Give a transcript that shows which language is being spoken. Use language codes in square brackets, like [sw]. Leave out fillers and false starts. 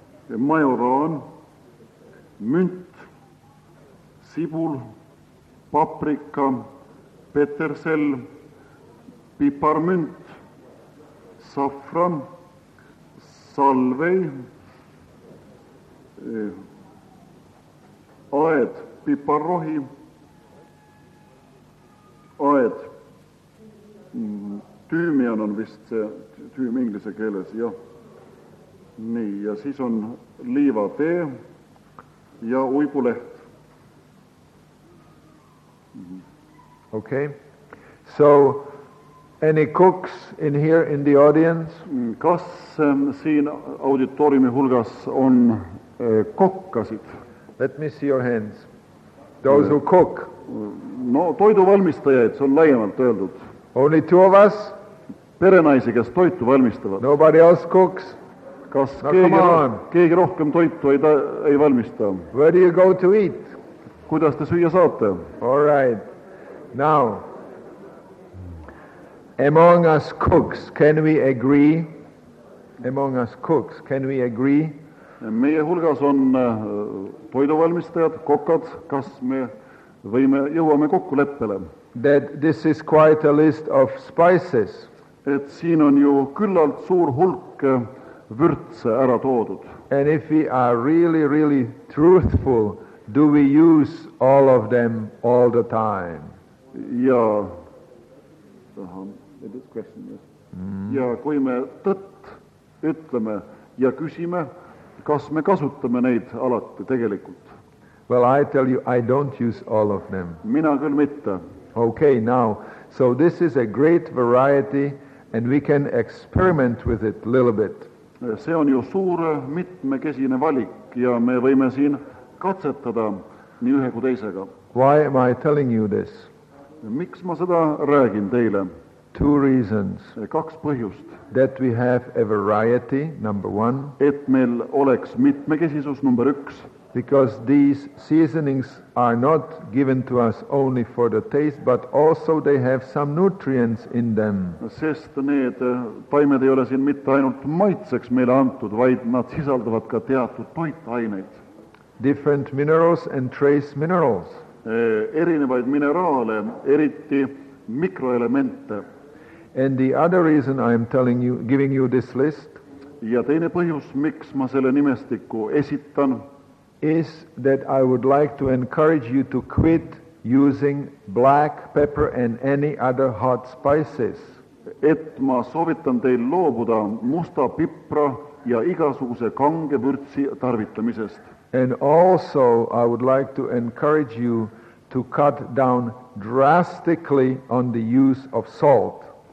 [et] Majoraan, münt, sibul, paprika, petersell, piparmünt, safran, salvei, aed, piparrohi, aed, tüümian on vist see tüüm inglise keeles, jah. Nii, ja siis on liiva tee ja uibuleht. [en] Okay. So, any cooks in here in the audience? [et] Kas siin auditoriumi hulgas on kokkasid? [en] Let me see your hands. Those who cook. [et] No, toidu valmistajaid, see on laiemalt öeldud. [en] Only two of us? [et] Perenaisi, kes toitu valmistavad. [en] Nobody else cooks? [et] Kas keegi rohkem toitu ei valmista? [en] Where do you go to eat? [et] Kuidas te süüa saate? [en] All right. Now, among us cooks, can we agree? Among us cooks, can we agree? [et] Meie hulgas on toiduvalmistajad, kokkad. Kas me võime, jõuame kokku leppele? [en] That this is quite a list of spices. [et] Et siin on ju küllalt suur hulk vürtse ära toodud. [en] And if we are really, really truthful, do we use all of them all the time? Ja, this question, yes. [et] Ja kui me tõtt ütleme ja küsime, kas me kasutame neid alati tegelikult? [en] Well, I tell you, I don't use all of them. [et] Mina küll mitte. [en] Okay, now, so this is a great variety and we can experiment with it a little bit. [et] See on ju suur mitmekesine valik ja me võime siin katsetada nii ühe kui teisega. [en] Why am I telling you this? [et] Miks ma seda räägin teile? [en] Two reasons. [et] Kaks põhjust. [en] That we have a variety, number one. [et] Et meil oleks mitmekesisus, number üks. [en] Because these seasonings are not given to us only for the taste, but also they have some nutrients in them. [et] Sest need taimed ei ole siin mitte ainult maitseks meile antud, vaid nad sisaldavad ka teatud toitaineid. [en] Different minerals and trace minerals. [et] Erinevaid mineraale, eriti mikroelemente. [en] And the other reason I am telling you, giving you this list. [et] Ja teine põhjus, miks ma selle nimestiku esitan, [en] is that I would like to encourage you to quit using black pepper and any other hot spices. [et] Et ma soovitan teil loobuda musta pipra ja igasuguse kange vürtsi tarvitamisest. [en] And also I would like to encourage you to cut down drastically on the use of salt.